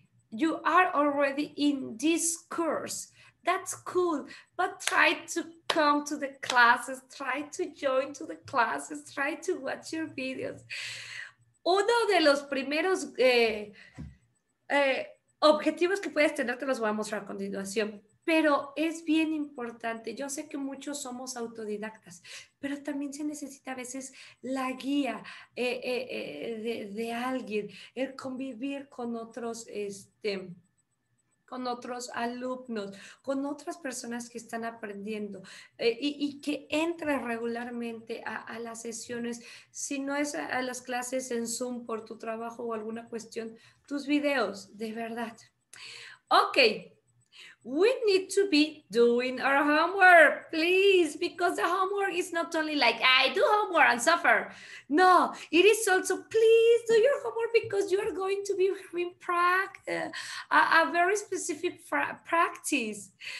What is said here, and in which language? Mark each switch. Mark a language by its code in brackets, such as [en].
[en] You are already in this course. That's cool, but try to come to the classes, try to join to the classes, try to watch your videos. [es] Uno de los primeros objetivos que puedes tener, te los voy a mostrar a continuación, pero es bien importante. Yo sé que muchos somos autodidactas, pero también se necesita a veces la guía de alguien, el convivir con otros, con otros alumnos, con otras personas que están aprendiendo y que entren regularmente a las sesiones. Si no es a las clases en Zoom por tu trabajo o alguna cuestión, tus videos, de verdad. [en] Ok, we need to be doing our homework, please, because the homework is not only like, I do homework and suffer. No, it is also, please do your homework because you are going to be having a very specific practice.